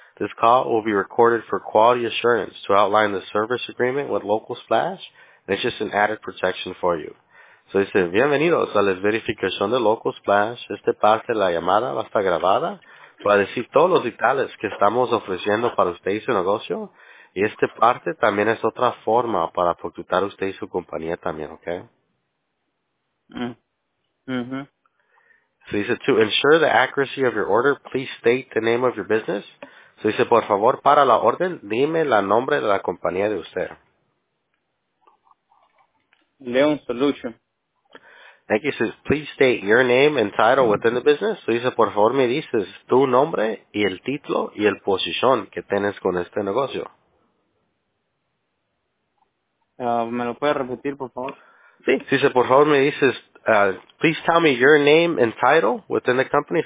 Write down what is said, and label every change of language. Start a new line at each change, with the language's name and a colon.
English: This call will be recorded for quality assurance to outline the service agreement with Local Splash. And it's just an added protection for you.
Spanish: So dice, bienvenidos a la verificación de Local Splash. Esta parte de la llamada va a estar grabada para decir todos los detalles que estamos ofreciendo para usted y su negocio. Y esta parte también es otra forma para facturar usted y su compañía también, ¿ok?
English: So dice, to ensure the accuracy of your order, please state the name of your business.
Spanish: So dice, por favor, para la orden, dime el nombre de la compañía de usted.
English: Leon Solution. Thank you. So, please state your name and title within the business.
Spanish: So, dice, por favor, me dices tu nombre y el título y el posición que tienes con este negocio. ¿Me lo puedes repetir, por favor? Sí. So, dice, por favor, me dices,
English: please tell me your name and title within the company.